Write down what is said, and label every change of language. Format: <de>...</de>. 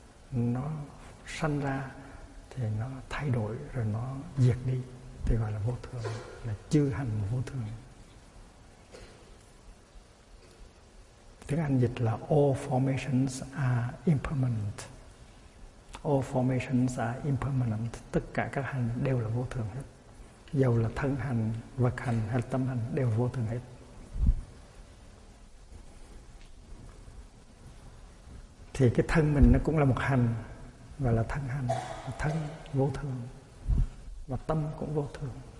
<vi>Nó sanh ra thì nó thay đổi rồi nó diệt đi, thì gọi là vô thường, là chư hành vô thường. Tiếng Anh dịch là</vi> <en>all formations are impermanent. All formations are impermanent.</en> <vi>Tất cả các hành đều là vô thường hết. Dầu là thân hành, vật hành hay tâm hành đều vô thường hết. Thì cái thân mình nó cũng là một hành, và là thân hành, thân vô thường, và tâm cũng vô thường.</vi>